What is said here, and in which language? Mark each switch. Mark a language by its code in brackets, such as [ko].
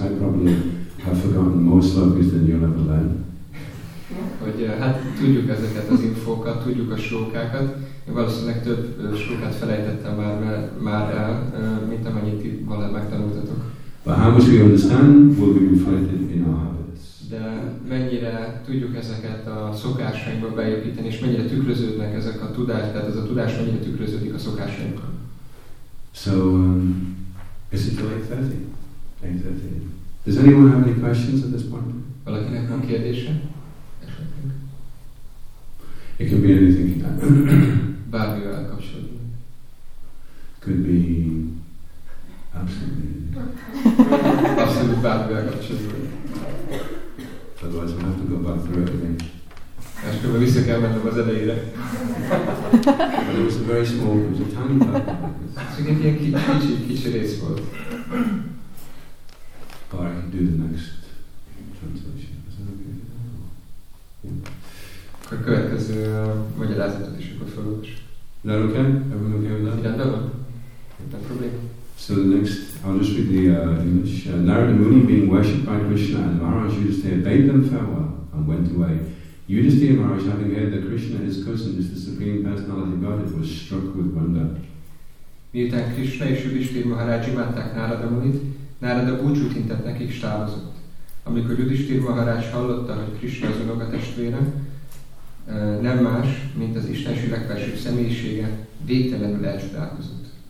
[en] I probably have forgotten more slogans than you'll ever learn. [hu] Hogy hát tudjuk ezeket az infókat, tudjuk a sókákat. Én valószínűleg több sókát felejtettem már el, mint amennyit itt valahogy megtanultatok. [en] But how much we understand will be reflected in our habits. [hu] De mennyire tudjuk ezeket a szokásainkba beépíteni, és mennyire tükröződnek ezek a tudás, tehát ez a tudás mennyire tükröződik a szokásainkban. [en] So, is it 8:30? 8:30. Does anyone have any questions at this point? [hu] Valakinek van kérdése? [en] It could be anything in that. [hu] Bármi olyan kapcsolatban. [en] Could be absolutely anything. [hu] Abszolút bármi olyan kapcsolatban. [en] Otherwise we'll have to go back through everything. [hu] És akkor vissza kell mennem az elejére. [en] But it was a very small, it was a tiny part. [hu] Szóval ilyen kicsi rész volt. [en] But I can do the next translation. Is that okay? Yeah. [hu] A következő magyarázatot is akkor felolvas. [en] That okay? Everyone okay with that? [hu] Igen, de van. Nem probléma. [en] So the next, I'll just read the English. Narada Muni, being worshipped by Krishna and Maharaj Yudhisthira, bade them farewell and went away. Yudhisthira Maharaj, having heard that Krishna, his cousin, is the Supreme Personality of Godhead, was struck with wonder. [hu] Miután Krishna és Yudhisthira Maharaj imádták Narada Munit, Narada búcsút intett nekik, s távozott. Amikor Yudhisthira Maharaj hallotta, hogy Krishna az unokatestvére, nem más, mint az istenségek felső személyisége, végtelenül elcsodálkozott.